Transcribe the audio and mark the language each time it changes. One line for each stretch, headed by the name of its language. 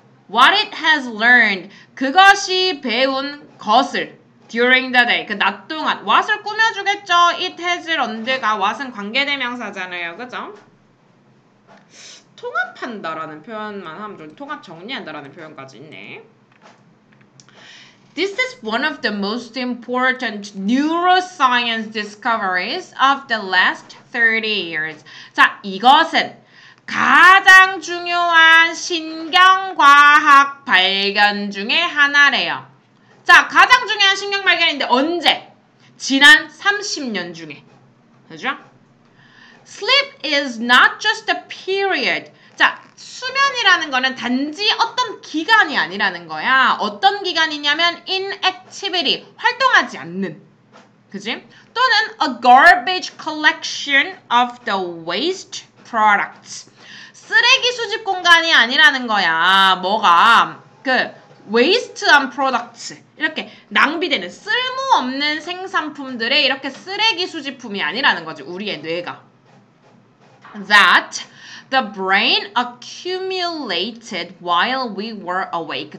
English: What it has learned.
Korean: 그것이 배운 것을.
English: During the day.
Korean: 그낮 동안. What을 꾸며주겠죠.
English: It has learned
Korean: 가 What은 관계대명사잖아요. 그죠? 통합한다라는 표현만 하면 좀 통합 정리한다라는 표현까지 있네.
English: This is one of the most important neuroscience discoveries of the last 30 years.
Korean: 자, 이것은 가장 중요한 신경과학 발견 중에 하나래요. 자, 가장 중요한 신경 발견인데 언제? 지난 30년 중에. 그죠?
English: Sleep is not just a period.
Korean: 자, 수면이라는 거는 단지 어떤 기간이 아니라는 거야. 어떤 기간이냐면 inactivity, 활동하지 않는. 그지?
English: 또는 a garbage collection of the waste products.
Korean: 쓰레기 수집 공간이 아니라는 거야. 뭐가? 그
English: wasteland products.
Korean: 이렇게 낭비되는 쓸모없는 생산품들의 이렇게 쓰레기 수집품이 아니라는 거지, 우리의 뇌가.
English: That the brain accumulated while we were awake.